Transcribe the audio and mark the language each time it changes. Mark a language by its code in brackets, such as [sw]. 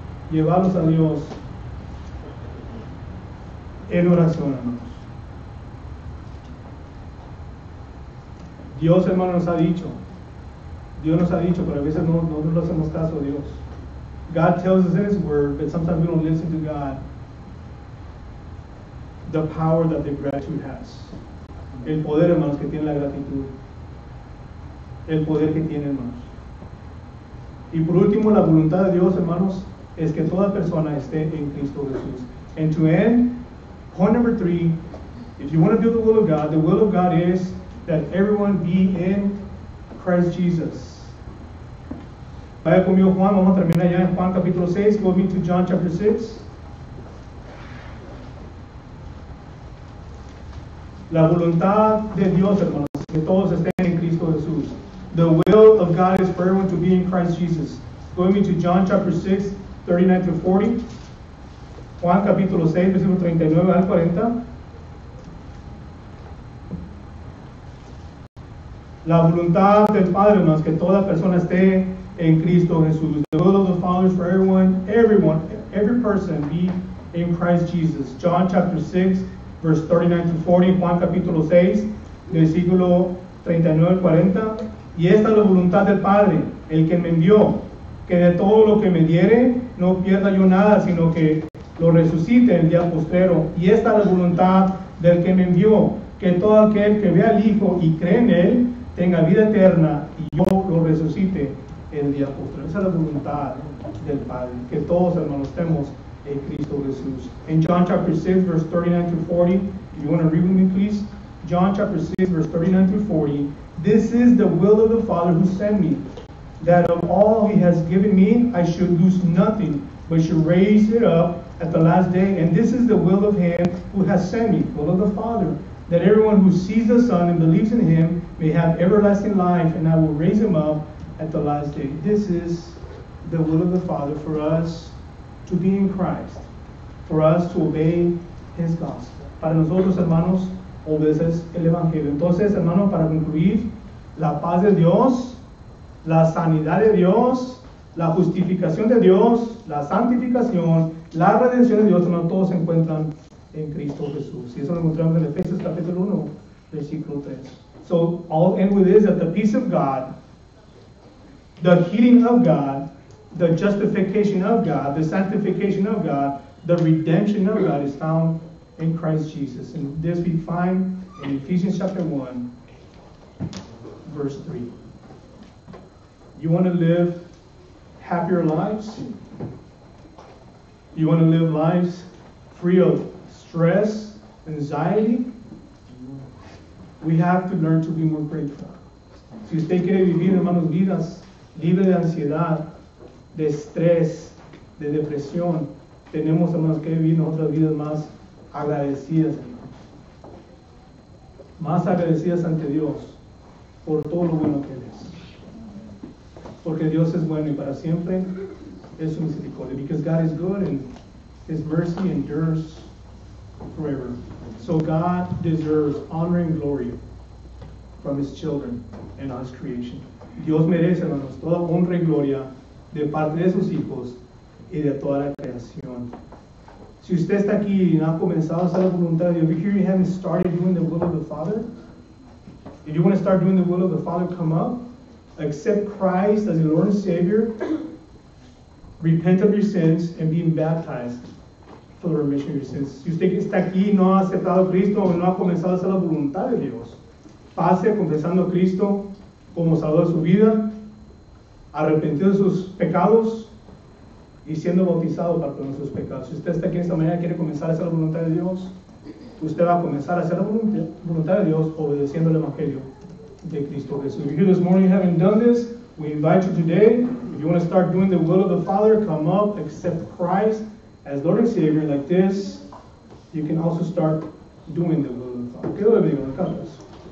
[es] Llevarlos a Dios en oración, hermanos. Dios, hermano, nos ha dicho. Dios nos ha dicho, pero a veces no hacemos caso a Dios. [en] God tells us in His Word, but sometimes we don't listen to God. The power that the gratitude has. [es] El poder, hermanos, que tiene la gratitud. El poder que tiene, hermanos. Y por último, la voluntad de Dios, hermanos, es que toda persona esté en Cristo Jesús. [en] And to end, point number three, if you want to do the will of God is that everyone be in Christ Jesus. [es] Vaya conmigo, Juan, vamos a terminar ya en Juan capítulo 6, [en] go me to John chapter 6. [es] La voluntad de Dios, hermanos, que todos estén en Cristo Jesús. [en] The will of God is for everyone to be in Christ Jesus. Go with me to John chapter 6, 39 to 40. [es] Juan capítulo 6, versículo 39 al 40. La voluntad del Padre, hermanos, que toda persona esté en Cristo Jesús. [en] The will of the Father is for everyone, every person be in Christ Jesus. John chapter 6, verse 39 to 40. [es] Juan capítulo 6, versículo 39 al 40. Y esta es la voluntad del Padre, el que me envió, que de todo lo que me diere, no pierda yo nada, sino que lo resucite el día postrero. Y esta es la voluntad del que me envió, que todo aquel que vea al Hijo y cree en Él, tenga vida eterna, y yo lo resucite el día postrero. Esa es la voluntad del Padre, que todos, hermanos, estemos en Cristo Jesús. [en] En John chapter 6, verse 39 to 40, if you want to read with me, please. John chapter 6, verse 39 to 40. This is the will of the Father who sent me, that of all he has given me, I should lose nothing, but should raise it up at the last day. And this is the will of him who has sent me, will of the Father, that everyone who sees the Son and believes in him may have everlasting life, and I will raise him up at the last day. This is the will of the Father for us to be in Christ, for us to obey his gospel. [es] Para nosotros, hermanos, obedecer el Evangelio. Entonces, hermanos, para concluir, la paz de Dios, la sanidad de Dios, la justificación de Dios, la santificación, la redención de Dios, hermanos, todos se encuentran en Cristo Jesús. Y eso lo encontramos en Efesios capítulo 1, versículo 3. [en] So, I'll end with this, that the peace of God, the healing of God, the justification of God, the sanctification of God, the redemption of God is found in Christ Jesus. And this we find in Ephesians chapter 1, verse 3. You want to live happier lives? You want to live lives free of stress, anxiety? We have to learn to be more grateful. [es] Si usted quiere vivir, hermanos, vidas libre de ansiedad, de estrés, de depresión, tenemos, hermanos, que vivir nuestras vidas más agradecidas, hermanos. Más agradecidas ante Dios por todo lo bueno que Él es. Porque Dios es bueno y para siempre es su misericordia. [en] Because God is good and His mercy endures forever. So God deserves honor and glory from His children and His creation. [es] Dios merece, hermanos, toda honra y gloria de parte de sus hijos y de toda la creación. Si usted está aquí y no ha comenzado a hacer la voluntad de Dios, [en] if you haven't started doing the will of the Father, if you want to start doing the will of the Father, come up, accept Christ as your Lord and Savior, repent of your sins, and be baptized for the remission of your sins. [es] Si usted está aquí y no ha aceptado a Cristo o no ha comenzado a hacer la voluntad de Dios, pase confesando a Cristo como salvador de su vida, arrepentido de sus pecados, y siendo bautizado para perdonar sus pecados. Si usted está aquí esta mañana y quiere comenzar a hacer la voluntad de Dios, usted va a comenzar a hacer la voluntad de Dios obedeciendo el Evangelio de Cristo Jesús. [en] If you're here this morning, you haven't done this, we invite you today. If you want to start doing the will of the Father, come up, accept Christ as Lord and Savior. Like this, you can also start doing the will of the Father. [es] Que Dios le bendiga.